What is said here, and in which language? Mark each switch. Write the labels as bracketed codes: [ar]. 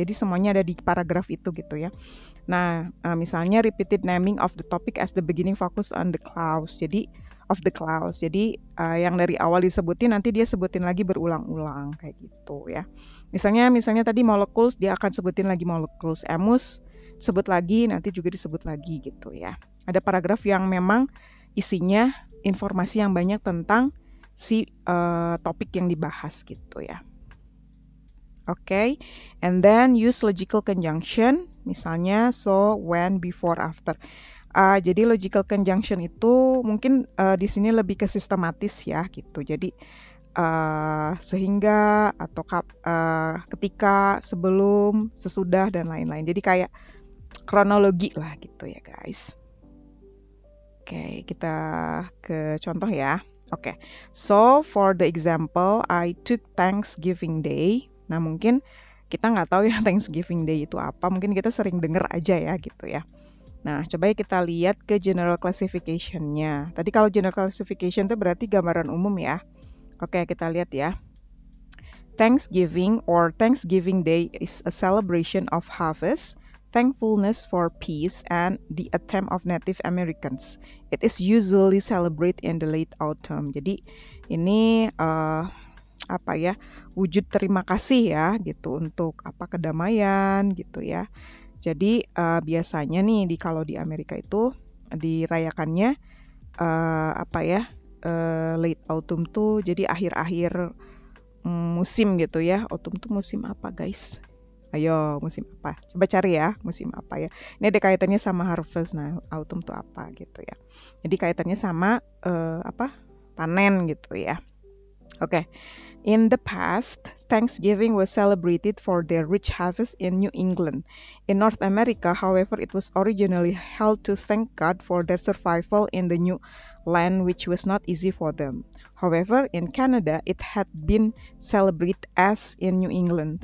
[id] Jadi semuanya ada di paragraf itu gitu ya. Nah, misalnya [en] repeated naming of the topic as the beginning focus on the clause. [id] Jadi [en] of the clause. [id] Jadi yang dari awal disebutin nanti dia sebutin lagi berulang-ulang kayak gitu ya. Misalnya tadi molecules, dia akan sebutin lagi molecules. Emus sebut lagi, nanti juga disebut lagi gitu ya. Ada paragraf yang memang isinya informasi yang banyak tentang si topik yang dibahas gitu ya. Oke, okay. [en] And then use logical conjunction, misalnya so, when, before, after. [id] Jadi logical conjunction itu mungkin di sini lebih ke sistematis ya gitu. Jadi sehingga atau ketika, sebelum, sesudah dan lain-lain. Jadi kayak kronologi lah gitu ya guys. Oke, okay, kita ke contoh ya. Oke, okay. [en] So for the example, I took Thanksgiving Day. [id] Nah, mungkin kita nggak tahu ya Thanksgiving Day itu apa. Mungkin kita sering dengar aja ya gitu ya. Nah, coba kita lihat ke general classification-nya. Tadi kalau general classification itu berarti gambaran umum ya. Oke, kita lihat ya. [en] Thanksgiving or Thanksgiving Day is a celebration of harvest, thankfulness for peace and the attempt of Native Americans. It is usually celebrated in the late autumn. [id] Jadi ini apa ya, wujud terima kasih ya gitu untuk apa kedamaian gitu ya. Jadi biasanya nih di kalau di Amerika itu dirayakannya apa ya, late autumn tuh jadi akhir-akhir musim gitu ya. Autumn tuh musim apa guys? Ayo, musim apa? Coba cari ya, musim apa ya. Ini ada kaitannya sama harvest. Nah, autumn tuh apa gitu ya. Jadi kaitannya sama apa? Panen gitu ya. Oke. [en] In the past, Thanksgiving was celebrated for their rich harvest in New England. In North America, however, it was originally held to thank God for their survival in the new land, which was not easy for them. However, in Canada, it had been celebrated as in New England.